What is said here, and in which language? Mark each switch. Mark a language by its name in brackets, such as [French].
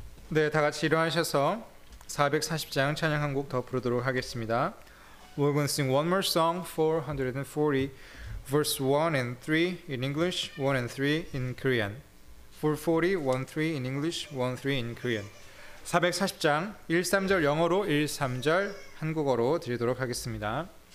[Korean] 네, 다 같이 일어나셔서 440장 찬양 한 곡 더 부르도록 하겠습니다. [English] We're going to sing one more song, 440, verse 1 and 3 in English, 1 and 3 in Korean. 440, 1, 3 in English, 1, 3 in Korean. [Korean] 440장 1, 3절 영어로, 1, 3절 한국어로 드리도록 하겠습니다.